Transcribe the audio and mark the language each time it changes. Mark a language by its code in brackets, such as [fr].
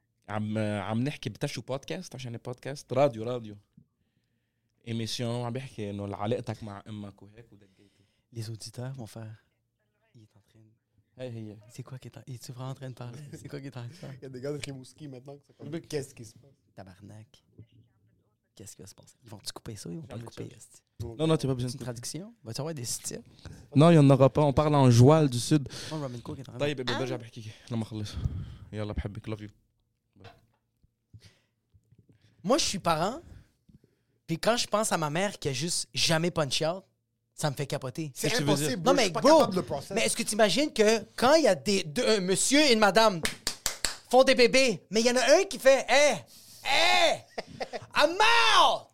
[ar] عم نحكي بتشو بودكاست عشان البودكاست راديو ايميشن عم بحكي انه علاقتك مع امك وهيك [fr] les auditeurs mon frère il est en train c'est quoi qui est il est vraiment en train de parler c'est quoi qui est en train de faire il y a des gars de Rimouski maintenant qu'est-ce qui se passe tabarnak qu'est-ce qui va se passer ils vont te couper ça ou ils vont pas le couper non tu as pas besoin de traduction va t'avoir des styles non il y en aura pas on parle en joual du sud [ar] طيب برجع بحكي لما اخلص يلا بحبك [en] love you. [fr] Moi, je suis parent, puis quand je pense à ma mère qui a juste jamais punch out, ça me fait capoter. C'est impossible. Non, mais je suis pas capable de le processer. Mais est-ce que tu imagines que quand il y a deux monsieur et une madame font des bébés, mais il y en a un qui fait [en] Hey, I'm out!